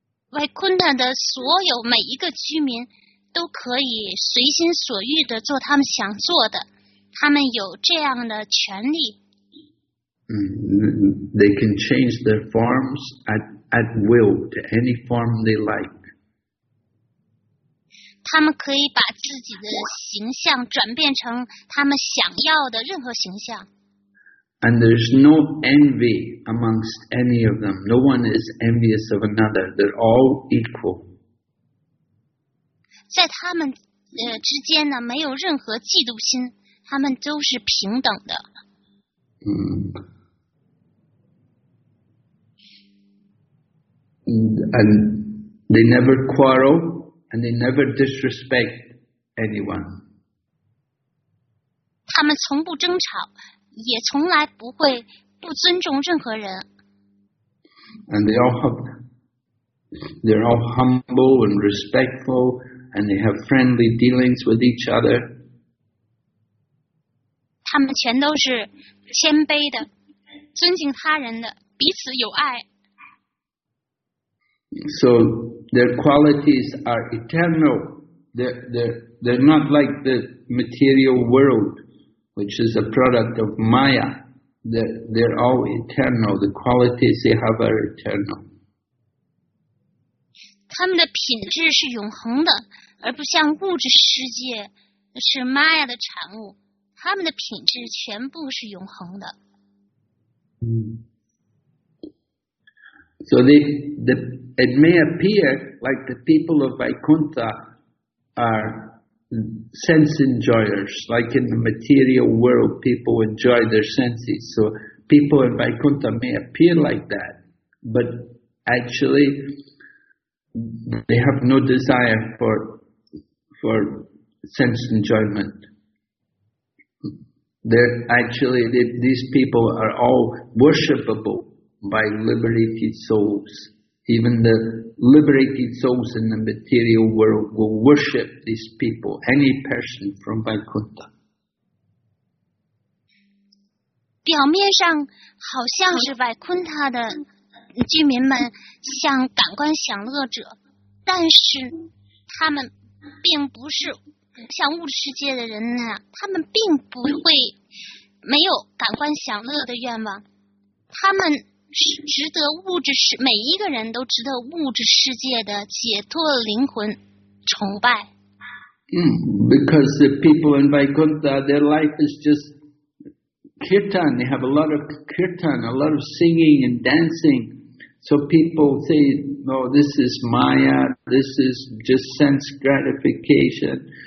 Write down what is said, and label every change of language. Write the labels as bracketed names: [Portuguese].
[Chinese] Vaikuntha 的所有每一个居民都可以随心所欲地做他们想做的，他们有这样的权利。 [English] They can change their forms at will to any form they like. [Chinese] 他们可以把自己的形象转变成他们想要的任何形象。 [English] And there's no envy amongst any of them. No one is envious of another. They're all equal. [Chinese] 在他们之间呢，没有任何嫉妒心，他们都是平等的。 [English] And they never quarrel, and they never disrespect anyone. [Chinese] 他们从不争吵，也从来不会不尊重任何人。 [English] And they're all humble and respectful, and they have friendly dealings with each other. [Chinese] 他们全都是谦卑的，尊敬他人的，彼此有爱。 [English] So their qualities are eternal. They're not like the material world, which is a product of Maya. They're all eternal. The qualities they have are eternal. [Chinese] 他们的品质是永恒的，而不像物质世界是 Maya 的产物。他们的品质全部是永恒的。 [English] So it may appear like the people of Vaikuntha are sense enjoyers, like in the material world, people enjoy their senses. So people in Vaikuntha may appear like that, but actually they have no desire for sense enjoyment. These people are all worshipable. By liberated souls. Even the liberated souls in the material world will worship these people, any person from Vaikuntha. [Chinese] 表面上好像是 Vaikuntha 的居民们像感官享乐者，但是他们并不是像物质世界的人那样，他们并不会没有感官享乐的愿望，他们值得物质世每一个人都值得物质世界的解脱灵魂崇拜。 [English] Because the people in Vaikuntha, their life is just kirtan. They have a lot of kirtan, a lot of singing and dancing. So people say, "No, this is Maya. This is just sense gratification."